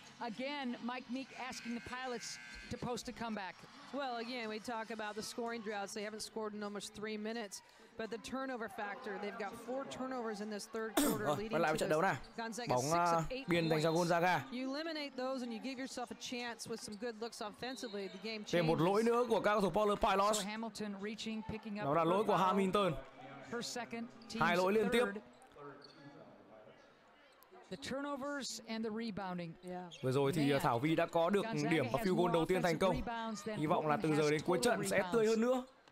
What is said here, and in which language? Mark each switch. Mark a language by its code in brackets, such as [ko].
[en] Again, Mike Meek asking the Pilots to post a comeback. Well, again, we talk about the scoring droughts. They haven't scored in almost 3 minutes. But the turnover factor, they've got 4 turnovers in this third quarter leading [vi] quay lại với trận đấu nào. Bóng biên dành cho Gonzaga. [en] You eliminate those and you give yourself a chance with some good looks offensively. The game changes. [vi] Một lỗi nữa của các cầu thủ Portland Pilots. [en] So Hamilton reaching, picking up. [vi] Đó là lỗi của Hamilton. [en] Her second, [vi] hai lỗi liên tiếp. [en] The turnovers and the rebounding. Yeah. [vi] Vừa rồi thì Thảo Vy đã có được điểm và field goal đầu tiên thành công. Hy vọng là từ giờ đến cuối trận sẽ tươi hơn nữa.